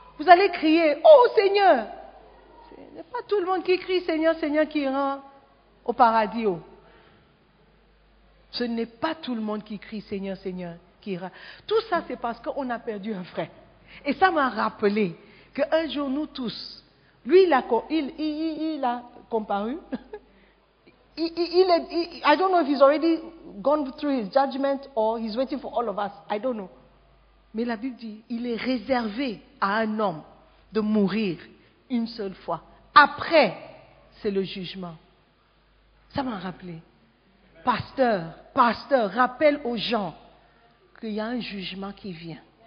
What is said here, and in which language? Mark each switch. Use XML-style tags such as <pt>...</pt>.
<fr>Vous allez crier, oh Seigneur! Ce n'est pas tout le monde qui crie Seigneur, Seigneur qui ira au paradis. Oh. Ce n'est pas tout le monde qui crie Seigneur, Seigneur qui ira. Tout ça, c'est parce qu'on a perdu un frère. Et ça m'a rappelé qu'un jour, nous tous, lui, il a comparu.</fr> <en>I don't know if he's already gone through his judgment or he's waiting for all of us. I don't know.</en> <fr>Mais la Bible dit, il est réservé à un homme de mourir une seule fois. Après, c'est le jugement. Ça m'a rappelé. Pasteur, rappelle aux gens qu'il y a un jugement qui vient.</fr>